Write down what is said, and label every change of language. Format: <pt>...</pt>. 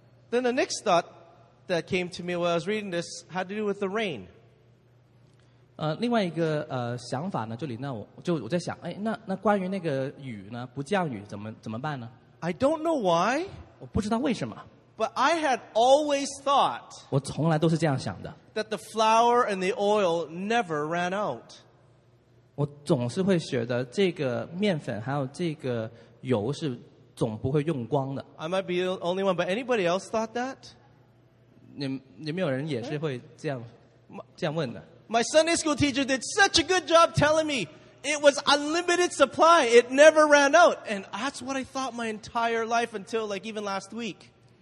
<en>Then the next thought that came to me while I was reading this had to do with the rain.</en> <zh>另外一个想法呢，这里那我在想，哎，那关于那个雨呢，不降雨怎么办呢</zh> <en>？I don't know why.</en> <zh>我不知道为什么。</zh> <en>But I had always thought that the flour and the oil never ran out.</en> <zh>我总是会觉得这个面粉还有这个油是总不会用光的。</zh> <en>I might be the only one, but anybody else thought that?</en> <zh>你没有人也是会这样问的。</zh> <en>My Sunday school teacher did such a good job telling me it was unlimited supply. It never ran out. And that's what I thought my entire life until like even last week.</en>